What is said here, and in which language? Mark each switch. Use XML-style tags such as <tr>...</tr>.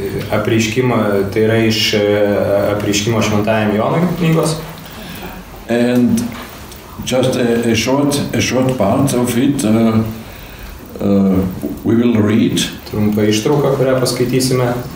<lt>Apreiškimo, tai yra iš apreiškimo šventajam Jonui knygos.</lt> <en>And just a short part of it we will read.</en> <lt>Trumpa ištrauka, kurią paskaitysime.</lt>